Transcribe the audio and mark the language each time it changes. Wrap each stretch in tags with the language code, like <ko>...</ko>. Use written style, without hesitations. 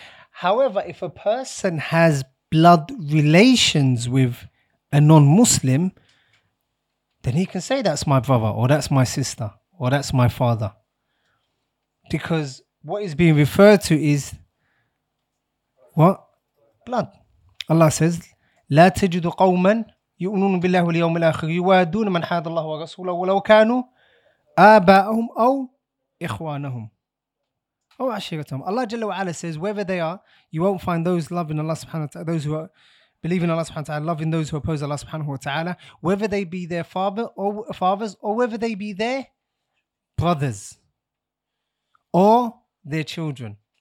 <en>However, if a person has blood relations with a non-Muslim, then he can say, "That's my brother," or "That's my sister," or "That's my father." Because what is being referred to is what? Blood. Allah says,</en> <ar>"La tajidu qawman يؤمنون بالله واليوم الآخر يوادون من حاد الله ورسوله ولو كانوا آباءهم أو إخوانهم أو عشيرتهم."</ar> <en>Allah Jalla wa Ala says, wherever they are, you won't find those loving Allah subhanahu wa ta'ala, those who are believing Allah subhanahu wa ta'ala, loving those who oppose Allah subhanahu wa ta'ala, whether they be their fathers or whether they be their brothers or their children.</en>